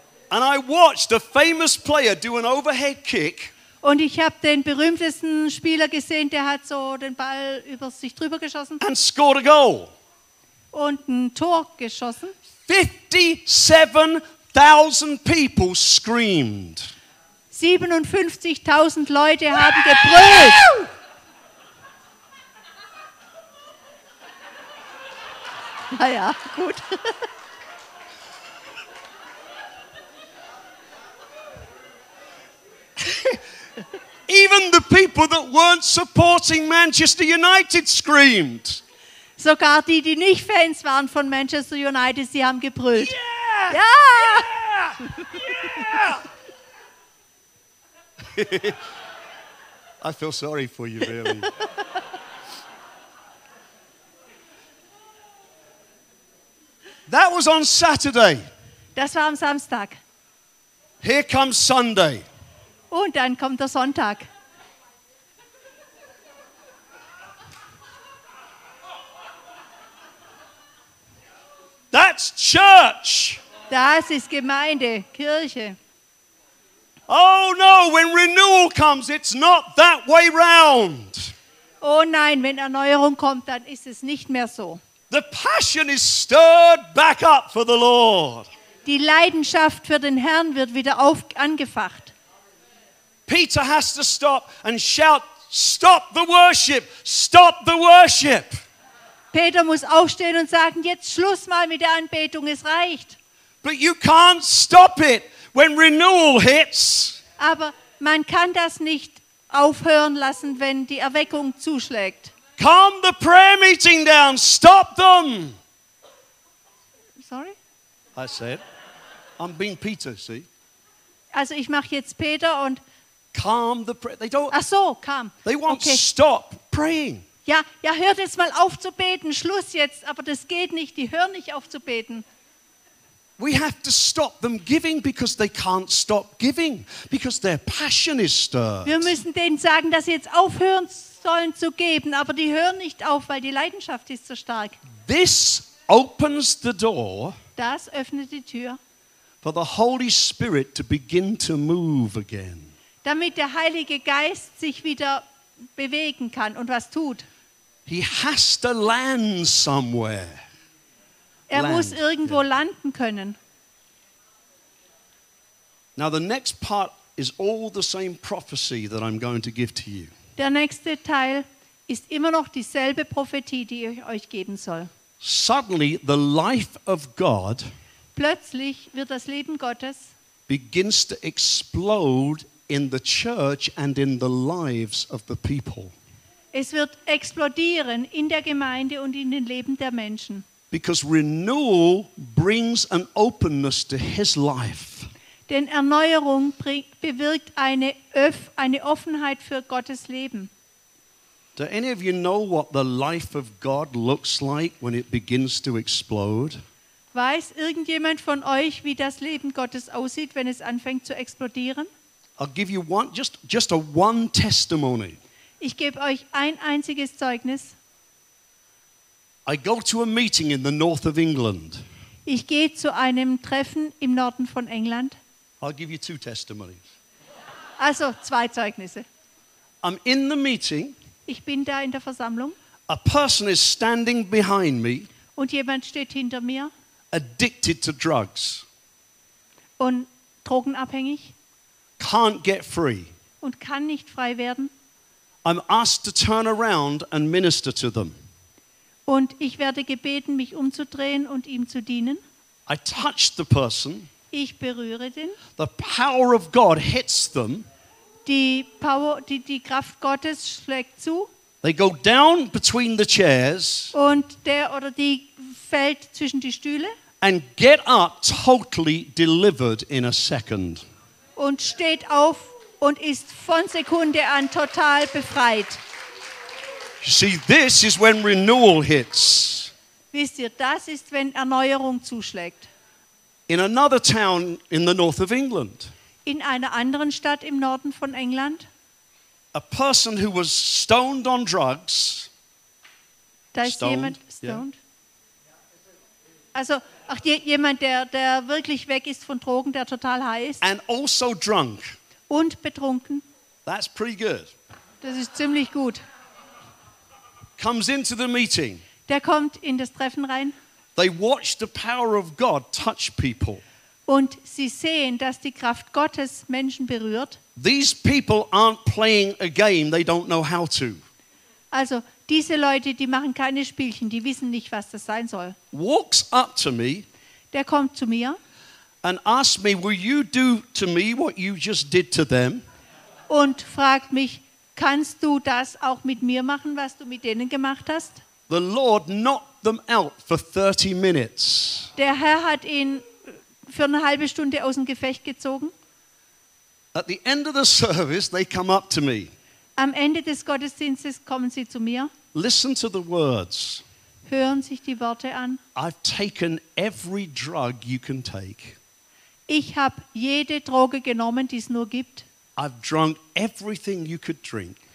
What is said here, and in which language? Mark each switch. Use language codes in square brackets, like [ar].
[en] And I watched a famous player do an overhead kick. [de] Und ich habe den berühmtesten Spieler gesehen, der hat so den Ball über sich drüber geschossen. [en] And scored a goal. [de] Und ein Tor geschossen. [en] 57,000 people screamed. [de] 57,000 Leute haben gebrüllt. Na ja, gut. [en] Even the people that weren't supporting Manchester United screamed. [de] Sogar die nicht Fans waren von Manchester United, sie haben gebrüllt. [en] Yeah! [de] Ja! [en] Yeah! Yeah! I feel sorry for you, really. That was on Saturday. [de] Das war am Samstag. [en] Here comes Sunday. [de] Und dann kommt der Sonntag. [en] That's church. [de] Das ist Gemeinde, Kirche. [en] Oh no, when renewal comes, it's not that way round. [de] Oh nein, wenn Erneuerung kommt, dann ist es nicht mehr so. [en] The passion is stirred back up for the Lord. [de] Die Leidenschaft für den Herrn wird wieder angefacht. [en] Peter has to stop and shout, "Stop the worship! Stop the worship!" [de] Peter muss aufstehen und sagen, jetzt Schluss mal mit der Anbetung, es reicht. [en] But you can't stop it when renewal hits. [de] Aber man kann das nicht aufhören lassen, wenn die Erweckung zuschlägt. [en] Calm the prayer meeting down. Stop them. Sorry? I said, I'm being Peter, see? [de] Also ich mache jetzt Peter und... [en] Calm the prayer. They don't... [de] Ach so, calm. [en] They won't okay. Stop praying. [de] Ja, ja, hört jetzt mal auf zu beten. Schluss jetzt. Aber das geht nicht. Die hören nicht auf zu beten. [en] We have to stop them giving because they can't stop giving. Because their passion is stirred. [de] Wir müssen denen sagen, dass sie jetzt aufhören sollen zu geben, aber die hören nicht auf, weil die Leidenschaft ist so stark. [en] This opens the door. [de] Das öffnet die Tür. [en] For the Holy Spirit to begin to move again. [de] Damit der Heilige Geist sich wieder bewegen kann und was tut. [en] He has to land somewhere. [de] Er muss irgendwo landen können. [en] Now the next part is all the same prophecy that I'm going to give to you. [de] Der nächste Teil ist immer noch dieselbe Prophetie, die ich euch geben soll. [en] Suddenly the life of God [de] plötzlich wird das Leben Gottes [en] begins to explode in the church and in the lives of the people. [de] Es wird explodieren in der Gemeinde und in den Leben der Menschen. [en] Because renewal brings an openness to his life. [de] Denn Erneuerung bewirkt eine Offenheit für Gottes Leben. [en] Do any of you know what the life of God looks like when it begins to explode? [de] Weiß irgendjemand von euch, wie das Leben Gottes aussieht, wenn es anfängt zu explodieren? [en] I'll give you one, just a one testimony. [de] Ich gebe euch ein einziges Zeugnis. [en] I go to a meeting in the north of England. [de] Ich gehe zu einem Treffen im Norden von England. [en] I'll give you two testimonies. [de] Also, zwei Zeugnisse. [en] I'm in the meeting. [de] Ich bin da in der Versammlung. [en] A person is standing behind me. [de] Und jemand steht hinter mir. [en] Addicted to drugs. [de] Und drogenabhängig. [en] Can't get free. [de] Und kann nicht frei werden. [en] I'm asked to turn around and minister to them. [de] Und ich werde gebeten, mich umzudrehen und ihm zu dienen. [en] I touch the person. [de] Ich berühre den. [en] The power of God hits them. [de] Die Kraft Gottes schlägt zu. [en] They go down between the chairs. [de] Und der oder die fällt zwischen die Stühle. [en] And get up totally delivered in a second. [de] Und steht auf und ist von Sekunde an total befreit. [en] See, this is when renewal hits. [de] Wisst ihr, das ist, wenn Erneuerung zuschlägt. [en] In another town in the north of England. [de] In einer anderen Stadt im Norden von England. [en] A person who was stoned on drugs. [de] Da ist jemand stoned. Yeah. Also, ach, jemand, der wirklich weg ist von Drogen, der total high ist. [en] And also drunk. [de] Und betrunken. [en] That's pretty good. [de] Das ist ziemlich gut. [en] Comes into the meeting. [de] Der kommt in das Treffen rein. [en] They watch the power of God touch people. [de] Und sie sehen, dass die Kraft Gottes Menschen berührt. [en] These people aren't playing a game they don't know how to. [de] Also, diese Leute, die machen keine Spielchen, die wissen nicht, was das sein soll. [en] Walks up to me. [de] Der kommt zu mir. [en] And asks me, will you do to me what you just did to them? [de] Und fragt mich, kannst du das auch mit mir machen, was du mit denen gemacht hast? [en] The Lord knocked them out for 30 minutes. [de] Der Herr hat ihn für eine halbe Stunde aus dem Gefecht gezogen. [en] At the end of the service, they come up to me. [de] Am Ende des Gottesdienstes kommen sie zu mir. [en] Listen to the words. [de] Hören sich die Worte an. [en] I've taken every drug you can take. [de] Ich habe jede Droge genommen, die es nur gibt. [en] I've drunk everything you could drink.